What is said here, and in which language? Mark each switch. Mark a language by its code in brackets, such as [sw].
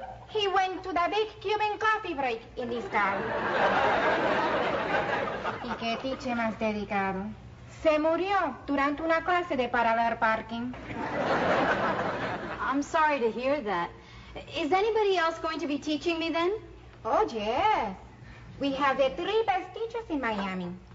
[en] He went to the big Cuban coffee break in this town. [es] ¿Y qué tiche más dedicado? Se murió durante una clase de parallel parking. [en] I'm sorry to hear that. Is anybody else going to be teaching me then? Oh, yes. We have the three best teachers in Miami.